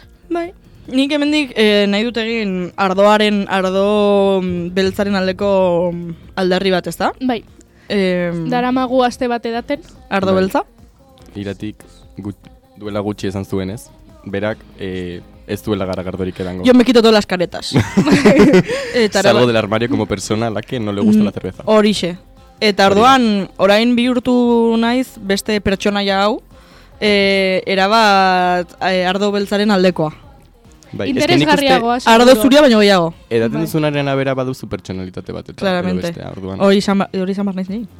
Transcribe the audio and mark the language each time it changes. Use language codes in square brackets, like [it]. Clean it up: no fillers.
[eu] Bai. Nik hemendik nahi dut egin ardoaren, ardo beltzaren aldeko aldarri bat, ez da? Bai. Daramagu aste bat edaten. Ardo beltza. Iratik duela gutxi esan zuen, ez? Berak ez duela garagardorik edango. [es] Yo me quito todas las caretas. Salgo del armario como persona a la que no le gusta la cerveza. [eu] Horixe. Eta orduan, orain bihurtu naiz beste pertsonaia hau, erabat ardo beltzaren aldekoa. Bai, interesgarriagoa. Ardo zuria baino gehiago. Edaten duzunaren abera baduzu pertsonalitate bat. Eta bestea, orduan. Hori izan behar naiz nahi.